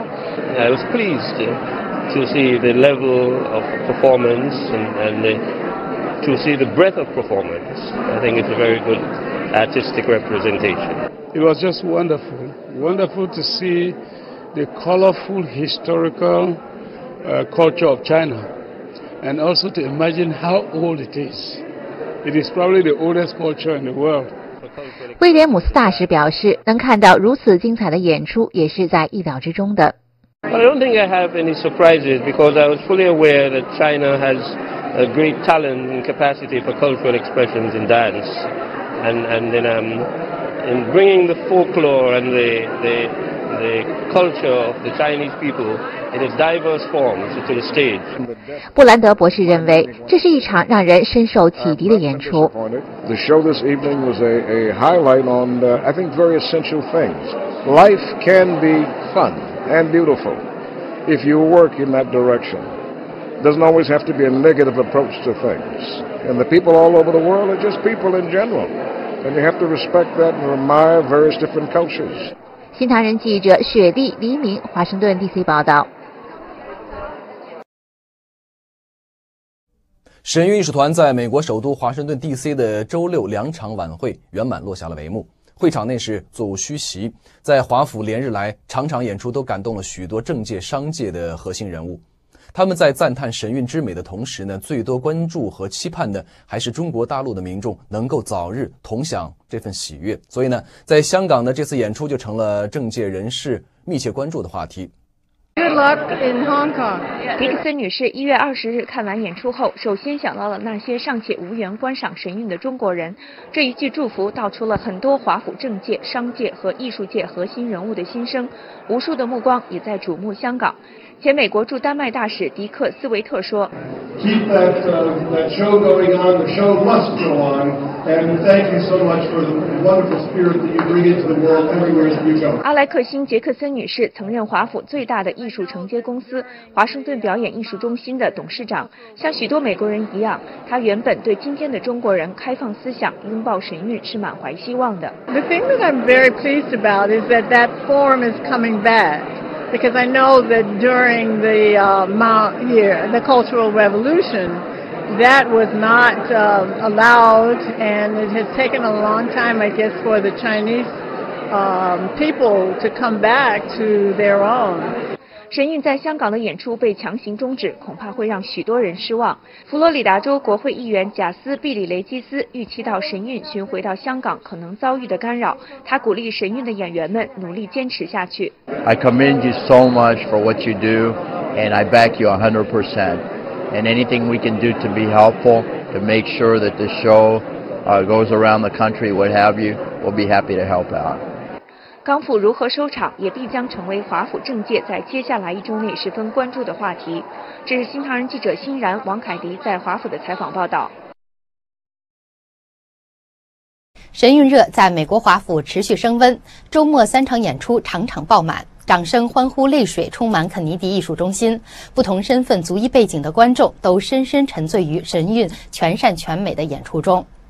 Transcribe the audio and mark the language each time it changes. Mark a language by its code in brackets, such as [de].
[en] I was pleased to see the level of performance and theTo see the breadth of performance, I think it's a very good artistic representation. It was just wonderful. Wonderful to see the colorful historical, culture of China. And also to imagine how old it is. It is probably the oldest culture in the world. [zh] 威廉姆斯大使表示，能看到如此精彩的演出也是在意料之中的。 [en] I don't think I have any surprises because I was fully aware that China has a great talent and capacity for cultural expressions in dance. And in bringing the folklore and the culture of the Chinese people in its diverse forms to the stage. [zh] 布兰德博士认为这是一场让人深受启迪的演出。 [en] The show this evening was a highlight on, I think, very essential things. Life can be fun and beautiful if you work in that direction. Doesn't always have to be a negative approach to things. And the people all over the world are just people in general. And you have to respect that and admire various different cultures. [zh] 新唐人记者雪莉、黎明，华盛顿 DC 报道。神韵艺术团在美国首都华盛顿 DC 的周六两场晚会圆满落下了帷幕。会场内是座无虚席，在华府连日来场场演出都感动了许多政界、商界的核心人物。他们在赞叹神韵之美的同时呢，最多关注和期盼的还是中国大陆的民众能够早日同享这份喜悦。所以呢，在香港的这次演出就成了政界人士密切关注的话题。 [en] Good luck in Hong Kong. [zh] 迪克森女士1月20日看完演出后，首先想到了那些尚且无缘观赏神韵的中国人。这一句祝福道出了很多华府政界、商界和艺术界核心人物的心声，无数的目光也在瞩目香港。前美国驻丹麦大使迪克斯维特说 [en] Keep that show going on, the show must go on, and thank you so much for the wonderful spirit that you bring into the world everywhere you go. [zh] 阿莱克辛·杰克森女士曾任华府最大的艺术承接公司华盛顿表演艺术中心的董事长，像许多美国人一样，她原本对今天的中国人开放思想、拥抱神韵是满怀希望的。 [en] The thing that I'm very pleased about is that that form is coming backBecause I know that during the the Cultural Revolution, that was not allowed, and it has taken a long time, I guess, for the Chinese people to come back to their own. [zh] 神韵在香港的演出被强行终止，恐怕会让许多人失望。佛罗里达州国会议员贾斯·毕里雷基斯预期到神韵巡回到香港可能遭遇的干扰，他鼓励神韵的演员们努力坚持下去。 [en] I commend you so much for what you do, and I back you 100%. And anything we can do to be helpful, to make sure that the show goes around the country, what have you, we'll be happy to help out. [zh] 港府如何收场也必将成为华府政界在接下来一周内十分关注的话题。这是新唐人记者欣然、王凯迪在华府的采访报道。神韵热在美国华府持续升温，周末三场演出场场爆满，掌声、欢呼、泪水充满肯尼迪艺术中心，不同身份、族裔背景的观众都深深沉醉于神韵全善全美的演出中。